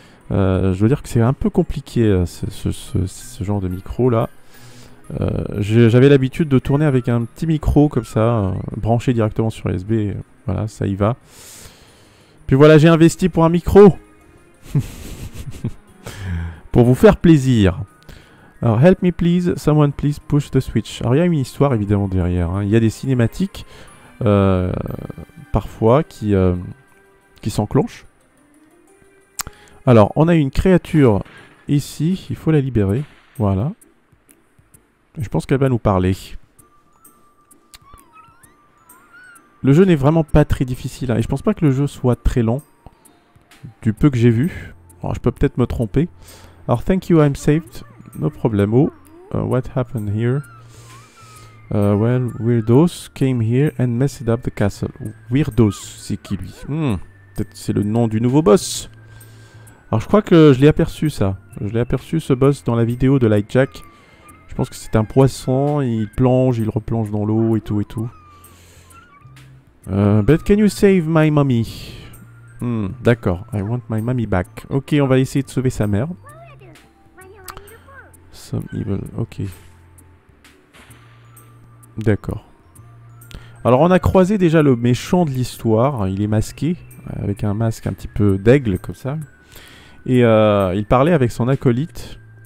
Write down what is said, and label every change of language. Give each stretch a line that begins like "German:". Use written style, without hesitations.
French: Je veux dire que c'est un peu compliqué ce genre de micro là. J'avais l'habitude de tourner avec un petit micro comme ça, branché directement sur USB. Voilà, ça y va. Puis voilà, j'ai investi pour un micro. Pour vous faire plaisir.
English: Alors, help me please, someone please push the switch.
French: Alors, il y a une histoire évidemment derrière. Hein. Il y a des cinématiques parfois qui s'enclenchent. Alors, on a une créature ici, il faut la libérer, voilà. Je pense qu'elle va nous parler. Le jeu n'est vraiment pas très difficile, hein, et je pense pas que le jeu soit très long, du peu que j'ai vu. Alors, je peux peut-être me tromper.
English: Alors, thank you, I'm saved. No problem. Oh, what happened here? Well, weirdos came here and messed up the castle.
French: Weirdos, c'est qui lui? Peut-être c'est le nom du nouveau boss. Alors, je crois que je l'ai aperçu, ça. Je l'ai aperçu, ce boss, dans la vidéo de Lightjack. Je pense que c'est un poisson. Il plonge, il replonge dans l'eau et tout et tout.
English: But can you save my mommy? D'accord. I want my mommy back.
French: Ok, on va essayer de sauver sa mère.
English: Some evil... Ok.
French: D'accord. Alors, on a croisé déjà le méchant de l'histoire. Il est masqué. Avec un masque un petit peu d'aigle, comme ça. Et il parlait avec son acolyte.